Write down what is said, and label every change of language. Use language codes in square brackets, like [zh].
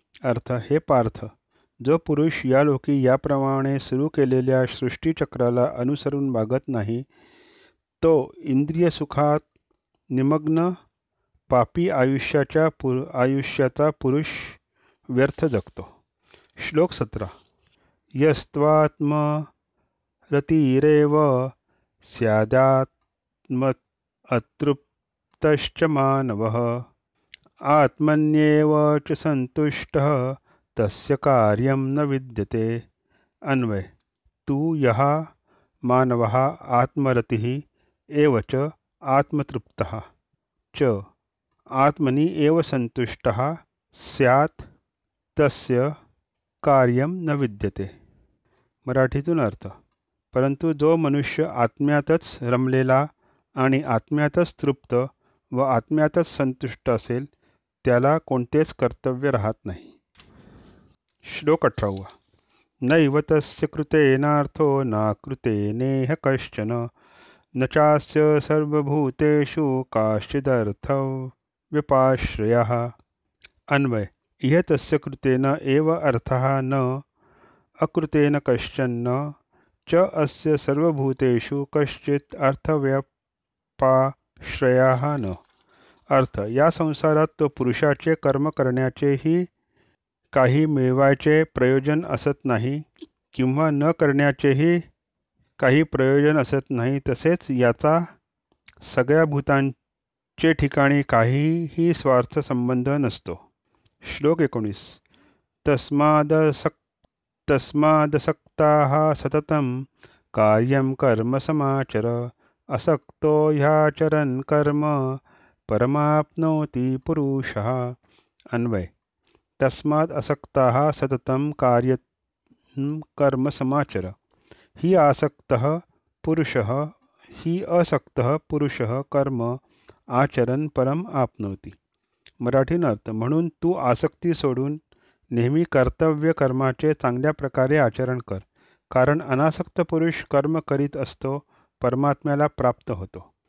[mr] अर्थ हे पार्थ जो पुरुष या लोकी याप्रमाणे सुरू केलेल्या सृष्टीचक्राला अनुसरून मागत नाही तो इंद्रिय सुखात निमग्न पापी आयुष्याचा पुरुष व्यर्थ जगतो। [sa] श्लोक 17 यस्त्वात्म रतिरेव स्यादात्म अतृप्तश्च मानवः आत्मन्येव च संतुष्टः तस्य कार्यं न विद्यते। अन्वय तू यः मानवः आत्मरतिः एव च आत्मतृप्तः च आत्मनि एव संतुष्टः स्यात् तस्य कार्यं न विद्यते। [mr] मराठीतून अर्थ परंतु जो मनुष्य आत्म्यातच रमलेला आणि आत्म्यातच तृप्त व आत्म्यातच संतुष्ट असेल त्याला कोणतेच कर्तव्य राहत नाही। [sa] श्लोक 18 नैव तस्य कृतेनार्थो नाकृतेनेह कश्चन न चास्य सर्वभूतेषु काश्चिदर्थव्यपाश्रयः। अन्वय इह तस्य कृतेन एव अर्थः न अकृतेन कश्चन न च अस्य सर्वभूतेषु कश्चित् अर्थव्यपाश्रयः न। [mr] अर्थ या संसारात तो पुरुषाचे कर्म करण्याचेही काही मिळवायचे प्रयोजन असत नाही किंवा न करण्याचेही काही प्रयोजन असत नाही। तसेच याचा सगळ्या भूतांचे ठिकाणी काहीही स्वार्थ संबंध नसतो। [sa] श्लोक 19 तस्मादसक्ताः सततं कार्यं कर्म समाचर असक्तो ह्याचरन् कर्म परमाप्नोति पुरुषः। अन्वय तस्मात् असक्ताः सततं कार्यं कर्म समाचर ही आसक्तः पुरुषः ही असक्तः पुरुषः कर्म आचरण परम आपनोति। [mr] मराठी अर्थ म्हणून तू आसक्ती सोडून नेहमी कर्तव्य कर्माचे चांगल्या प्रकारे आचरण कर कारण अनासक्त पुरुष कर्म करीत असतो परमात्म्याला प्राप्त होतो।